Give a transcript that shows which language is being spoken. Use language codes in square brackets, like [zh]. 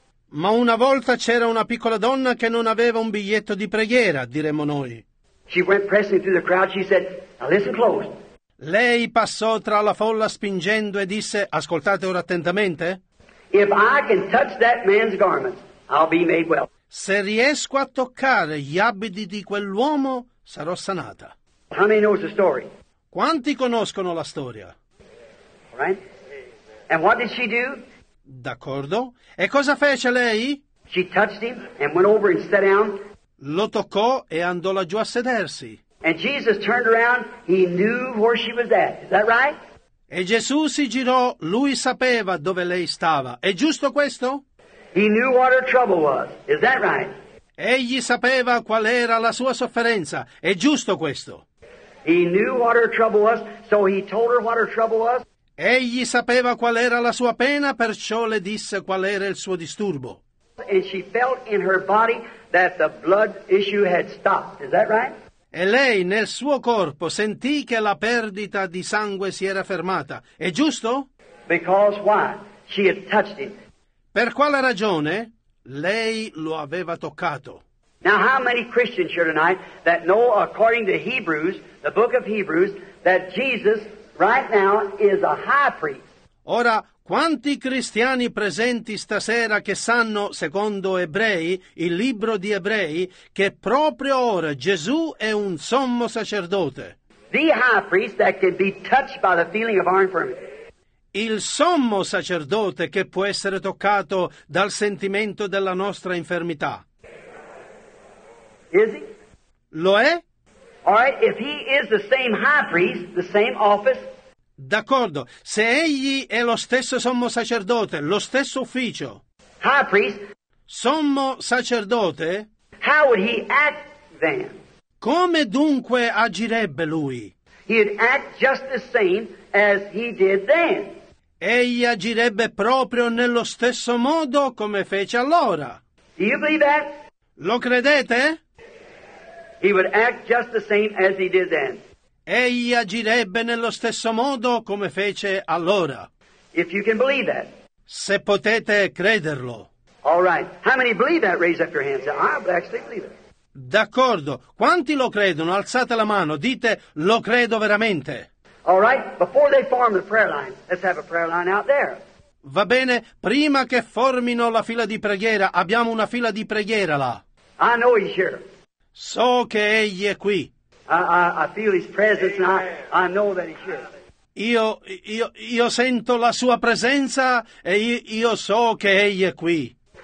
[it] Ma una volta c'era una piccola donna che non aveva un biglietto di preghiera, diremmo noi. [en] She went pressing through the crowd, she said, "Now listen close." [it] Lei passò tra la folla spingendo e disse, ascoltate ora attentamente. [en] If I can touch that man's garments, I'll be made well. [it] Se riesco a toccare gli abiti di quell'uomo, sarò sanata. [en] How many knows the story? [it] Quanti conoscono la storia? [en] Right? And what did she do? [it] D'accordo. E cosa fece lei? [en] She touched him and went over and sat down. [it] Lo toccò e andò laggiù a sedersi. [en] And Jesus turned around, he knew where she was at. Is that right? [it] E Gesù si girò, lui sapeva dove lei stava. È giusto questo? [en] He knew what her trouble was. Is that right? [it] Egli sapeva qual era la sua sofferenza. È giusto questo? [en] He knew what her trouble was, so he told her what her trouble was. [it] Egli sapeva qual era la sua pena, perciò le disse qual era il suo disturbo. [en] And she felt in her body that the blood issue had stopped. Is that right? [it] E lei nel suo corpo sentì che la perdita di sangue si era fermata. È giusto? [en] Because why? She had touched him. [it] Per quale ragione? Lei lo aveva toccato. [en] Now how many Christians here tonight that know according to Hebrews, the book of Hebrews, that Jesus right now is a high priest? [it] Ora, quanti cristiani presenti stasera che sanno, secondo Ebrei, il libro di Ebrei, che proprio ora Gesù è un sommo sacerdote? [en] The high priest that can be touched by the feeling of our infirmity. [it] Il sommo sacerdote che può essere toccato dal sentimento della nostra infermità. [en] Is he? [it] Lo è? [en] All right, if he is the same high priest, the same office. [it] D'accordo, se egli è lo stesso sommo sacerdote, lo stesso ufficio. [en] High priest. [it] Sommo sacerdote. [en] How would he act then? [it] Come dunque agirebbe lui? [en] He'd act just the same as he did then. [it] Egli agirebbe proprio nello stesso modo come fece allora. [en] Do you believe that? [it] Lo credete? [en] He would act just the same as he did then. [it] Egli agirebbe nello stesso modo come fece allora. [en] If you can believe that. [it] Se potete crederlo. [en] All right. How many believe that? Raise up your hands. I actually believe it. [it] D'accordo. Quanti lo credono? Alzate la mano. Dite, lo credo veramente. [en] All right. Before they form the prayer line, let's have a prayer line out there. [it] Va bene. Prima che formino la fila di preghiera, abbiamo una fila di preghiera là. [en] I know he's here. [it] So che egli è qui. [en] I feel his presence and I know that he's here. [it] Io sento la sua presenza e io so che egli è qui.